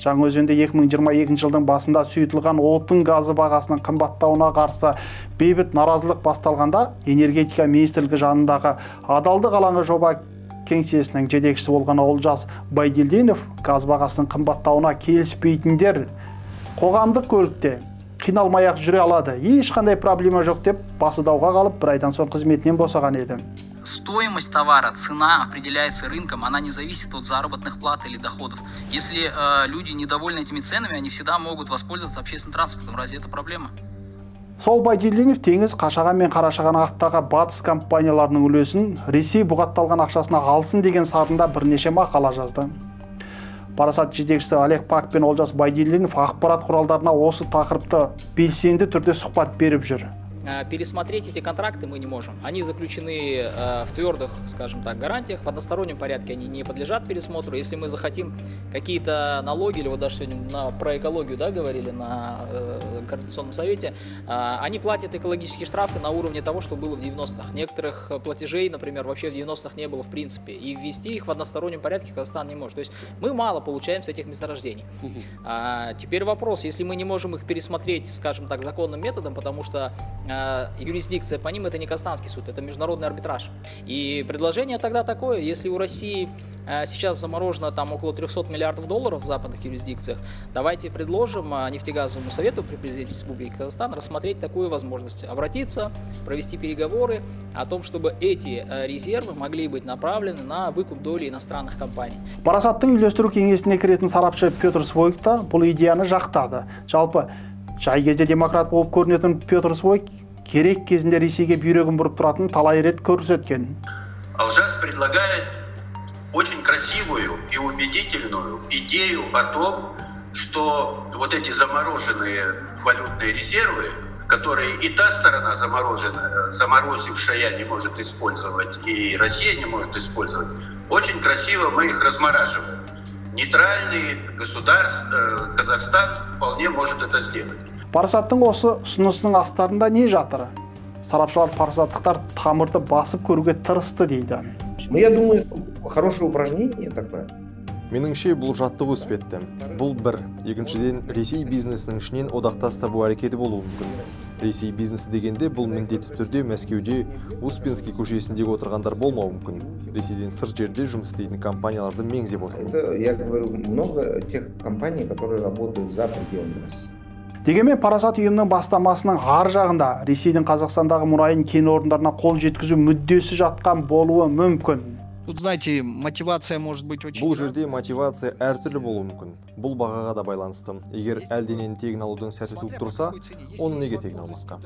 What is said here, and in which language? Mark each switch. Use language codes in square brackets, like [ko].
[kk] Жаңаөзенде 2022 жылдың басында сұйытылған отын газы бағасының қымбаттауына қарсы бейбіт наразылық басталғанда энергетика министрлігі жанындағы адалдық алаңы жоба кеңсесінің жетекшісі болған Олжас Байділдинов газ бағасының қымбаттауына келіспейтіндер қоғамдық көлікте қиналмай-ақ жүре алады, ешқандай проблема жоқ деп басы дауға қалып, бір айдан соң қызметінен босаған еді. [ru] Стоимость товара, цена определяется рынком, она не зависит от заработных плат или доходов. Если люди недовольны этими ценами, они всегда могут воспользоваться общественным транспортом. Разве это проблема? [kk] Сол Байділдинов теңіз Қашаған мен Қарашығанақтағы батыс компанияларының үлесін Ресей бұғатталған ақшасына алсын деген сарында бірнеше мақала жазды. Парасат жетекшісі Олег Пак пен Олжас Байділдинов ақпарат құралдарына осы тақырыпты белсенді түрде сұхбат беріп жүр. [ru] Пересмотреть эти контракты мы не можем. Они заключены в твердых, скажем так, гарантиях. В одностороннем порядке они не подлежат пересмотру. Если мы захотим какие-то налоги, или вот даже сегодня про экологию, да, говорили на Координационном совете, они платят экологические штрафы на уровне того, что было в 90-х. Некоторых платежей, например, вообще в 90-х не было в принципе. И ввести их в одностороннем порядке Казахстан не может. То есть мы мало получаем с этих месторождений. Теперь вопрос. Если мы не можем их пересмотреть, скажем так, законным методом, потому что юрисдикция по ним — это не Казахстанский суд, это международный арбитраж. И предложение тогда такое: если у России сейчас заморожено там около 300 миллиардов долларов в западных юрисдикциях, давайте предложим нефтегазовому совету при президенте Республики Казахстан рассмотреть такую возможность, обратиться, провести переговоры о том, чтобы эти резервы могли быть направлены на выкуп доли иностранных компаний. [kk] Парасаттың үйлестіру кеңесіне кіретін сарапшы Петр Свойк та бұл идеяны жақтады. Жалпы жай кезде демократ болып көрінетін Петр Свойк керек кезінде Ресейге бүйрегін бұрып тұратын талай рет көрсеткен. [ru] Алжас предлагает очень красивую и убедительную идею о том, что вот эти замороженные валютные резервы, которые и та сторона заморозившая не может использовать, и Россия не может использовать, очень красиво мы их размораживаем. Нейтральный государство, Казахстан вполне может это сделать. [kk] Парасаттың осы ұсынысының астарында не жатыр? Сарапшылар парасаттықтар тамырды басып көруге тырысты дейді. [ru] Я думаю, хорошее упражнение такое. [kk] Меніңше бұл жаттығы өспетті. Бұл бір. Екіншіден, Ресей бизнесінің ішінен одақтаста бұл әрекеті болуы мүмкін. Ресей бизнесі дегенде бұл міндетті түрде Мәскеуде Успенский көшесіндегі отырғандар болмауы мүмкін. Ресейден сыр жерде жұмыс істейтін компанияларды меңзеп отыр. Дегенмен парасат ұйымының бастамасының ар жағында Ресейдің Қазақстандағы мұрайын кен орындарына қол жеткізу мүддесі жатқан болуы мүмкін. [ru] Тут, знаете, мотивация может быть очень. [kk] Бұл жерде мотивация әртүрлі болуы мүмкін. Бұл бағаға да байланысты. Егер әлденен тегін алудың сәті туып тұрса, оны неге тегін алмасқа?